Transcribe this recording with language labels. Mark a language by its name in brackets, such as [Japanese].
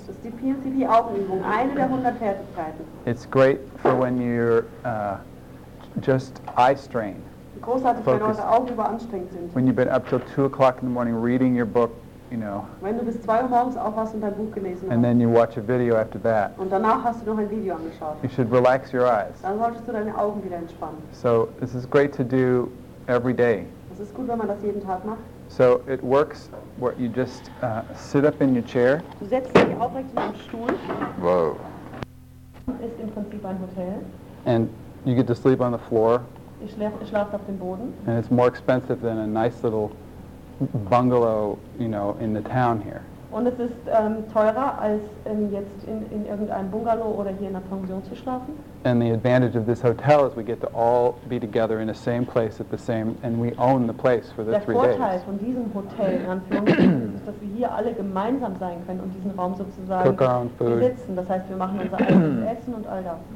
[German] Das ist die PMCP Augenübung, eine der 100 Fertigkeiten. [English] It's great for when you're just eye strain. [German] Großartig, focused. Wenn eure Augen überanstrengt sind. [English] When you've been up till 2 o'clock in the morning reading your book, you know. [German] Wenn du bis 2 Uhr morgens aufwachst und dein Buch gelesen hast. [English] And then you watch a video after that. [German] Und danach hast du noch ein Video angeschaut. [English] You should relax your eyes. [German] Dann solltest du deine Augen wieder entspannen. [English] So this is great to do every day. [German] Das ist gut, wenn man das jeden Tag macht. [English] So it works where you just sit up in your chair. [German] Du setzt dich aufrecht in deinem Stuhl. Whoa. Ist im Prinzip ein Hotel. [English] And you get to sleep on the floor. [German] Ich schlafe auf dem Boden. [English] And it's more expensive than a nice little bungalow, you know, in the town here. [German] Und es ist teurer als jetzt in irgendeinem Bungalow oder hier in einer Pension zu schlafen. [English] And the advantage of this hotel is we get to all be together in the same place at the same, and we own the place for the 3 days. [German] Der Vorteil von diesem Hotel in Anführungszeichen ist, dass wir hier alle gemeinsam sein können und diesen Raum sozusagen [English] cook our own food. [German] Besitzen. Das heißt, wir machen unser eigenes Essen und all das.